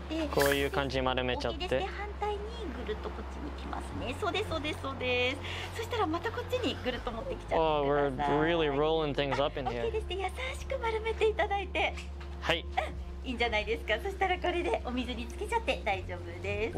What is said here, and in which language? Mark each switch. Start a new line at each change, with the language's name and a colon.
Japanese: こういう感じに丸めちゃって。反対にぐるっとこっちに来ますね。そうです、そうです、そうです。そしたらまたこっちにぐるっと持ってきちゃってください。
English: Oh, we're really rolling things up in here.
Japanese: OK ですね。優しく丸めていただいて。はい。いいんじゃないですか。そしたらこれでお水につけちゃって大丈夫です。